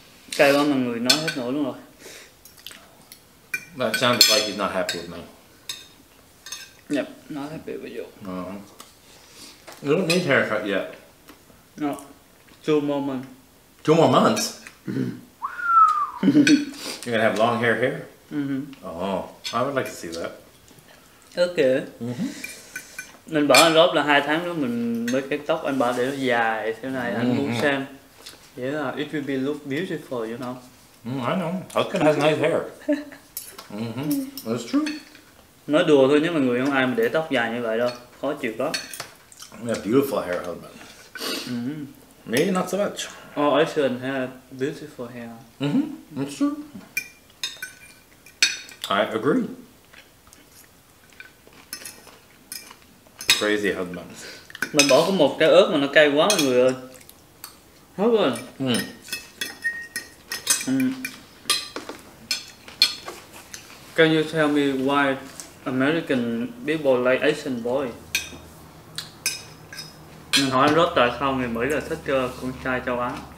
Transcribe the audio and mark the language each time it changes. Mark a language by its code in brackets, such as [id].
[vi] Cay quá mọi người, nói hết nổi luôn rồi. [en] That sounds like he's not happy with me. Yep, not happy with you. You don't need haircut yet. No. 2 more months. 2 more months? You're gonna have long hair here? Mm-hmm. Oh, I would like to see that. Okay. [vi] Mình bảo anh Rob là 2 tháng nữa mình mới cắt tóc, anh bảo để nó dài thế này, anh muốn xem. [en] Yeah, it will be look beautiful, you know. I know, Husband has nice hair. That's true. [vi] Nói đùa thôi nhưng mà người không ai mà để tóc dài như vậy đâu, khó chịu lắm. [en] You have beautiful hair, Husband. Me, not so much. Oh, I shouldn't have beautiful hair. That's true. I agree. Crazy husband. [vi] Mình bỏ có một trái ớt mà nó cay quá mọi người ơi. Hết rồi. [en] Can you tell me why American people like Asian boy? [vi] Mình hỏi anh Rob tại sao người Mỹ là thích con trai châu Á.